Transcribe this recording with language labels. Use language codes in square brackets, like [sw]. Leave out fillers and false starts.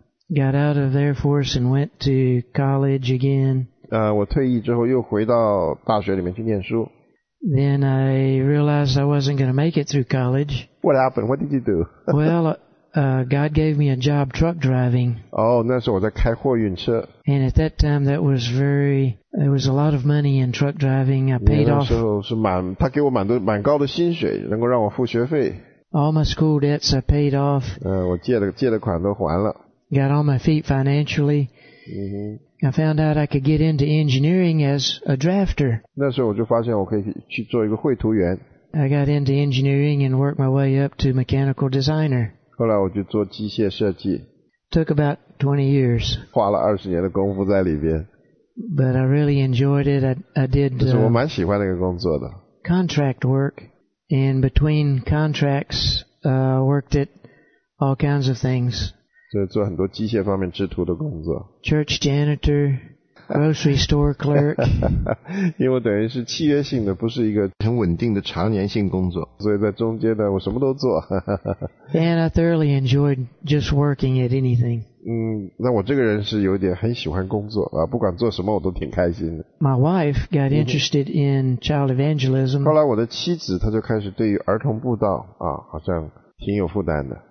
[en] Got out of the Air Force and went to college again. [zh] 我退役之后又回到大学里面去念书。 [en] Then I realized I wasn't going to make it through college. What happened? What did you do? Well, God gave me a job truck driving. [zh] Oh, 那时候我在开货运车。 [en] And at that time, there was a lot of money in truck driving. I paid off. [zh] 那时候是他给我蛮高的薪水，能够让我付学费。 [en] All my school debts I paid off. [zh] 我借的款都还了。 [en] Got on my feet financially. I found out I could get into engineering as a drafter. [zh] 那时候我就发现我可以去做一个绘图员。 [en] I got into engineering and worked my way up to mechanical designer. [zh] 后来我就做机械设计。 [en] Took about 20 years. [zh] 花了20年的功夫在里边。 [en] But I really enjoyed it. I did. [zh] 就是我蛮喜欢那个工作的。 [en] Contract work. And between contracts, worked at all kinds of things. [zh] 做很多机械方面制图的工作。 [en] Church janitor, grocery store clerk. [zh] 因为等于是契约性的，不是一个很稳定的常年性工作，所以在中间呢，我什么都做。 [en] And I thoroughly enjoyed just working at anything. [zh] 那我这个人是有点很喜欢工作啊，不管做什么我都挺开心的。 [en] My wife got interested in child evangelism. [zh] 后来我的妻子她就开始对于儿童布道啊，好像挺有负担的。